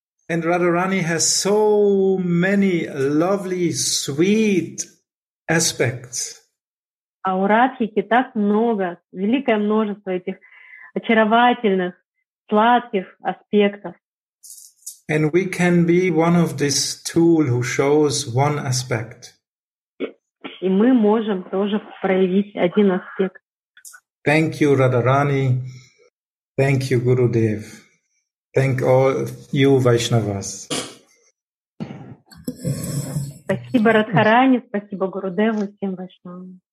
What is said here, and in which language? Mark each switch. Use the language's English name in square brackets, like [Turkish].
[English] And Radharani has so many lovely, sweet aspects. [Russian] А у Радхики так много, великое множество этих очаровательных, сладких аспектов. [English] And we can be one of this tool who shows one aspect. [Russian] И мы можем тоже проявить один аспект. [English] Thank you, Radharani. Thank you, Gurudev. Thank all you, Vaishnavas. [Russian] Спасибо, Радхарани. Спасибо, Гурудеву, всем Вайшнавам.